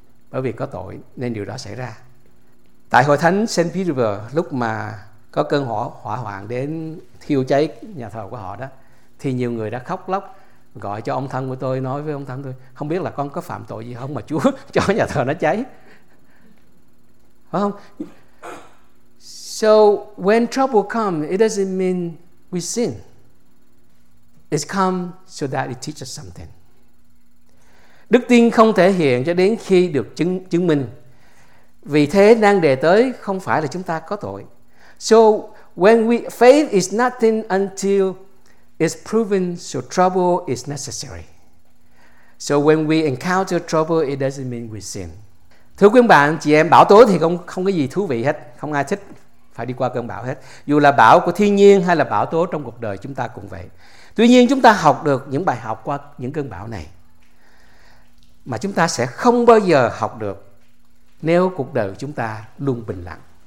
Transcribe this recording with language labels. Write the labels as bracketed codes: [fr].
[vi] Bởi vì có tội nên điều đó xảy ra. Tại hội thánh St. Peter, lúc mà có cơn hỏa hoạn đến thiêu cháy nhà thờ của họ đó, thì nhiều người đã khóc lóc, gọi cho ông thân của tôi, nói với ông thân tôi, không biết là con có phạm tội gì không mà Chúa cho nhà thờ nó cháy. Phải không? [en] So when trouble comes, it doesn't mean we sin. It comes so that it teaches something. [vi] Đức tin không thể hiện cho đến khi được chứng minh. Vì thế nan đề tới không phải là chúng ta có tội. [en] So when we faith is nothing until it's proven, so trouble is necessary. So when we encounter trouble, it doesn't mean we sin. [vi] Thưa quý bạn, chị em, bão tố thì không có gì thú vị hết. Không ai thích phải đi qua cơn bão hết. Dù là bão của thiên nhiên hay là bão tố trong cuộc đời chúng ta cũng vậy. Tuy nhiên chúng ta học được những bài học qua những cơn bão này, mà chúng ta sẽ không bao giờ học được nếu cuộc đời chúng ta luôn bình lặng.